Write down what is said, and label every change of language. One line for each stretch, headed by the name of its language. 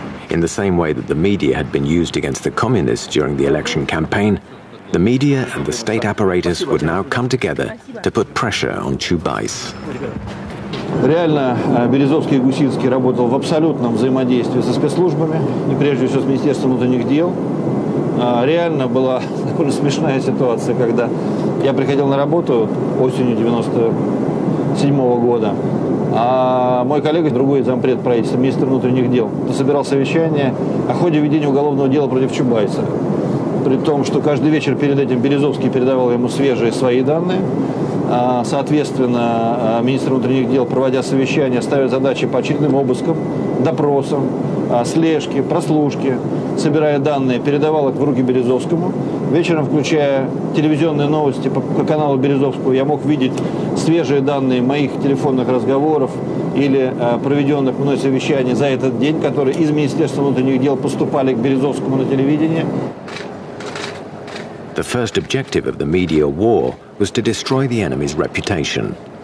English: In the same way that the media had been used against the communists during the election campaign, the media and the state apparatus would now come together to put pressure on Чубайс.
Russian: Реально, Березовский и Гусинский работал в абсолютном взаимодействии со спецслужбами, и прежде всего с Министерством внутренних дел. Реально была довольно смешная ситуация, когда я приходил на работу осенью 97 года, а мой коллега, другой зампред правительства, министр внутренних дел, собирал совещание о ходе ведения уголовного дела против Чубайса. При том, что каждый вечер перед этим Березовский передавал ему свежие свои данные, соответственно, министр внутренних дел, проводя совещание, ставит задачи по очередным обыскам, допросам, слежке, прослушке, собирая данные, передавал их в руки Березовскому. Вечером, включая телевизионные новости по каналу Березовского, я мог видеть свежие данные моих телефонных разговоров или проведенных мной совещаний за этот день, которые из Министерства внутренних дел поступали к Березовскому на телевидение.
English: The first objective of the media war was to destroy the enemy's reputation.